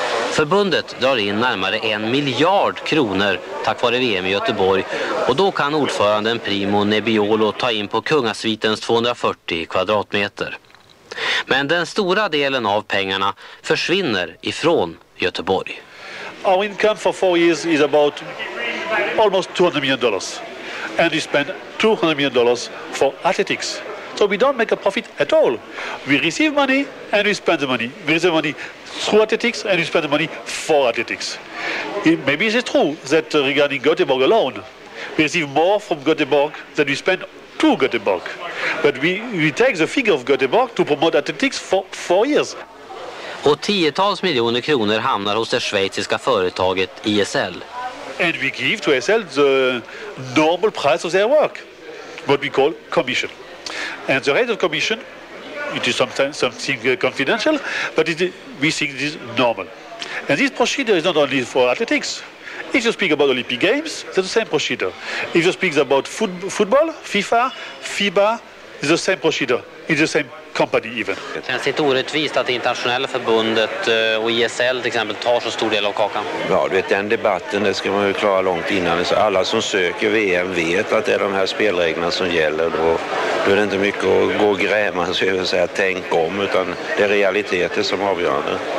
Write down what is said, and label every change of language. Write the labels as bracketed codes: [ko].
[sv] Förbundet drar in närmare 1 miljard kronor tack vare VM i Göteborg. Och då kan ordföranden Primo Nebbiolo ta in på kungasvitens 240 kvadratmeter. Men den stora delen av pengarna försvinner ifrån Göteborg. [en] Our income for 4 years is about almost $200 million. And we spend $200 million for athletics. So we don't make a profit at all. We receive money and we spend the money. We receive money through athletics and we spend the money for athletics. Maybe it's true that regarding Göteborg alone, we receive more from Göteborg than we spend to Göteborg. But we take the figure of Göteborg to promote athletics for 4 years. [sv] Och tiotals miljoner kronor hamnar hos det schweiziska företaget ISL. [en] And we give to ISL the normal price of their work, what we call commission. And the rate of commission, it is sometimes something confidential, but we think this is normal. And this procedure is not only for athletics. If you speak about Olympic Games, it's the same procedure. If you speak about football, FIFA, FIBA, it's the same procedure. It's the same company even. [sv] Det känns lite orättvist att det internationella förbundet och ISL till exempel tar så stor del av kakan. Ja, du vet, den debatten det ska man ju klara långt innan. Så alla som söker VM vet att det är de här spelreglerna som gäller. Då är det inte mycket att gå och gräma och säga tänk om, utan det är realiteter som avgör det.